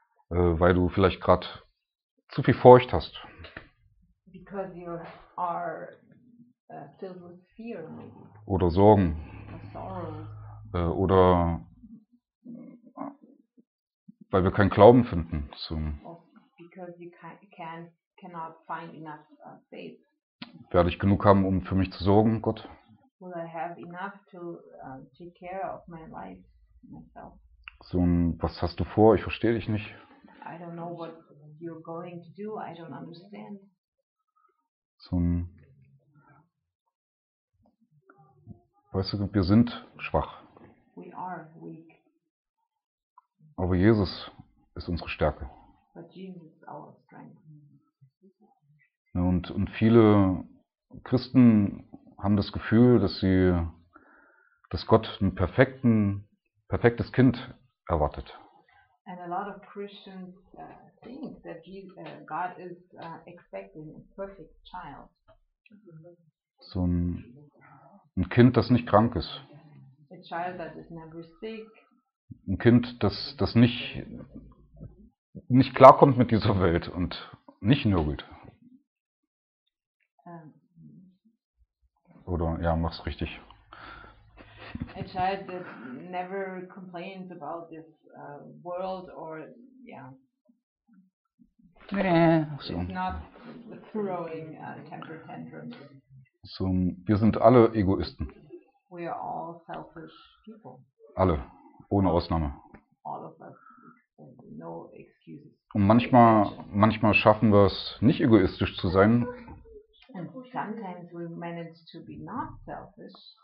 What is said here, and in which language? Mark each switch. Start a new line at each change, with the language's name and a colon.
German: Weil du vielleicht gerade zu viel Furcht hast.
English: Because you are filled with fear, maybe.
German: Oder Sorgen. Oder weil wir keinen Glauben finden zum.
English: Because you cannot find enough faith.
German: Werde ich genug haben, um für mich zu sorgen, Gott?
English: Will I have enough to take care of my life myself?
German: So, was hast du vor? Ich verstehe dich nicht.
English: I don't know what you're going to do. I don't understand.
German: So, weißt du, wir sind schwach.
English: We are weak.
German: Aber Jesus ist unsere Stärke.
English: But Jesus is our strength.
German: Und viele Christen haben das Gefühl, dass Gott ein perfektes Kind erwartet.
English: And a lot of Christians think that God is expecting a perfect child.
German: So ein Kind, das nicht krank ist.
English: A child that is never sick.
German: Ein Kind, das nicht klarkommt mit dieser Welt und nicht nörgelt. Oder ja, mach's richtig.
English: A child that never complains about this world or so. It's not throwing temper tantrums.
German: So, wir sind alle Egoisten.
English: We are all selfish people.
German: Alle, ohne Ausnahme.
English: All of us. No excuses.
German: Und manchmal schaffen wir es, nicht egoistisch zu sein.
English: And sometimes we manage to be not selfish.